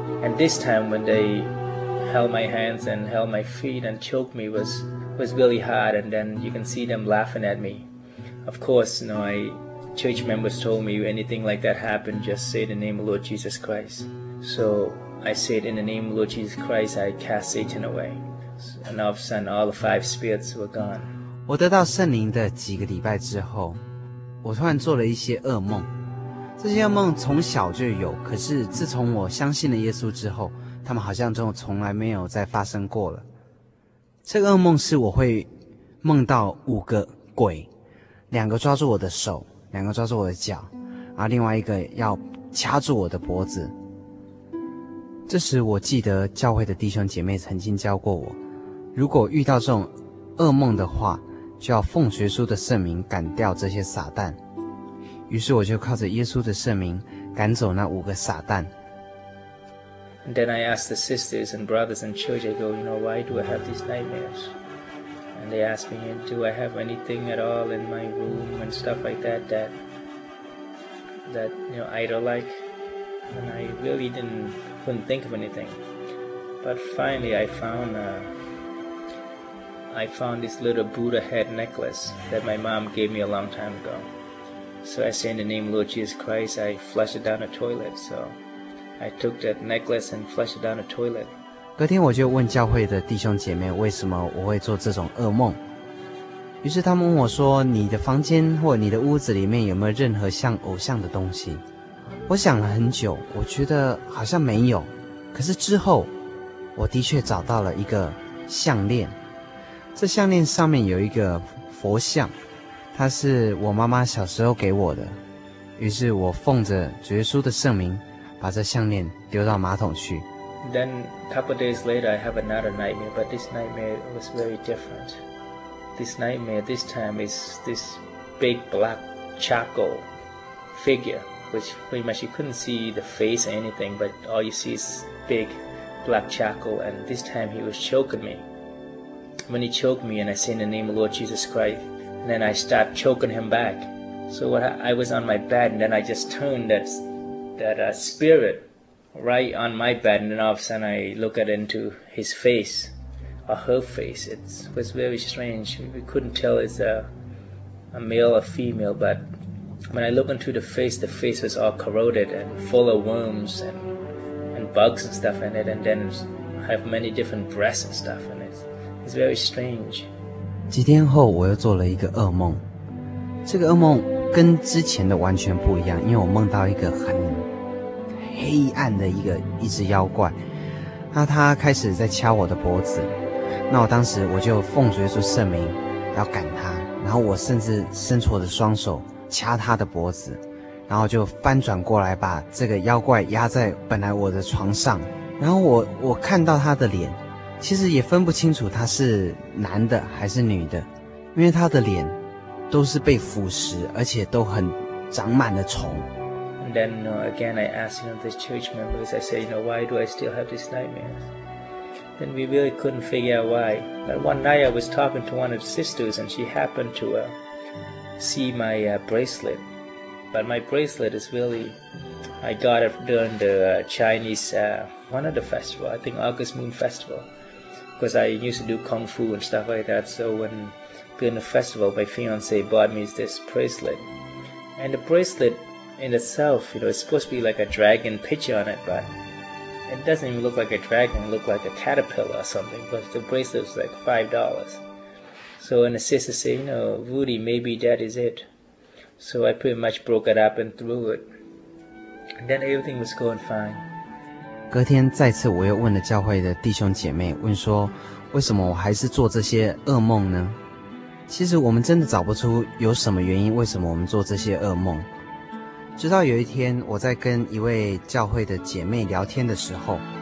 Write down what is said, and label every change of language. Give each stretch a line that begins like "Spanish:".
English: And this time when they held my hands and held my feet and choked me was really hard, and then you can see them laughing at me. Of course, you know, church members told me anything like that happened, just say the name of Lord Jesus Christ. So I said, in the name of Lord Jesus Christ, I cast Satan away. And all of a sudden, all the five spirits were gone.
Chinese: 我得到圣灵的几个礼拜之后，我突然做了一些噩梦。这些噩梦从小就有，可是自从我相信了耶稣之后，他们好像就从来没有再发生过了。这个噩梦是我会梦到五个鬼，两个抓住我的手，两个抓住我的脚，然后另外一个要掐住我的脖子。这时我记得教会的弟兄姐妹曾经教过我，如果遇到这种噩梦的话，就要奉耶稣的圣名赶掉这些撒旦。于是我就靠着耶稣的圣名赶走那五个撒旦。
English: And then I asked the sisters and brothers and church, I go, you know, why do I have these nightmares? And they asked me, do I have anything at all in my room and stuff like that, that you know, idol-like? And I really couldn't think of anything. But finally I found this little Buddha head necklace that my mom gave me a long time ago. So I say in the name of Lord Jesus Christ, I flush it down the toilet. So I took that necklace and flush it down the toilet.
Chinese: 隔天我就问教会的弟兄姐妹为什么我会做这种噩梦。于是他们问我说，你的房间或你的屋子里面有没有任何像偶像的东西？我想了很久，我觉得好像没有。可是之后，我的确找到了一个项链。这项链上面有一个佛像，它是我妈妈小时候给我的。于是我奉着主耶稣的圣名，把这项链丢到马桶去。
English: Then a couple of days later, I have another nightmare, but this nightmare was very different. This nightmare, this time, is this big black charcoal figure, which pretty much you couldn't see the face or anything, but all you see is big black charcoal. And this time, he was choking me. When he choked me, and I say in the name of Lord Jesus Christ, and then I start choking him back. So what I was on my bed, and then I just turned that spirit right on my bed, and then all of a sudden I look at into his face, or her face. It was very strange. We couldn't tell it's a male or female, but when I look into the face was all corroded and full of worms and bugs and stuff in it, and then have many different breasts and stuff in it. It's very strange.
Chinese: 几天后我又做了一个噩梦，这个噩梦跟之前的完全不一样，因为我梦到一个很黑暗的一只妖怪，那他开始在掐我的脖子，那我当时我就奉耶稣圣名要赶他，然后我甚至伸出我的双手掐他的脖子，然后就翻转过来把这个妖怪压在本来我的床上，然后我看到他的脸，其实也分不清楚他是男的还是女的，因为他的脸都是被腐蚀，而且都很长满了虫。
English: And then, you know, again, I asked, you know, the church members, I said, you know, why do I still have this nightmare? Then we really couldn't figure out why. But one night I was talking to one of the sisters, and she happened to see my bracelet. But my bracelet is really, I got it during the Chinese, one of the festival, I think August Moon Festival. Because I used to do kung fu and stuff like that, so when during the festival, my fiance bought me this bracelet. And the bracelet in itself, you know, it's supposed to be like a dragon picture on it, but it doesn't even look like a dragon, it looks like a caterpillar or something, but the bracelet was like $5. So when the sister said, you know, Rudy, maybe that is it. So I pretty much broke it up and threw it. And then everything was going fine.
Chinese: 隔天再次我又问了教会的弟兄姐妹，问说为什么我还是做这些噩梦呢？其实我们真的找不出有什么原因为什么我们做这些噩梦。直到有一天我在跟一位教会的姐妹聊天的时候，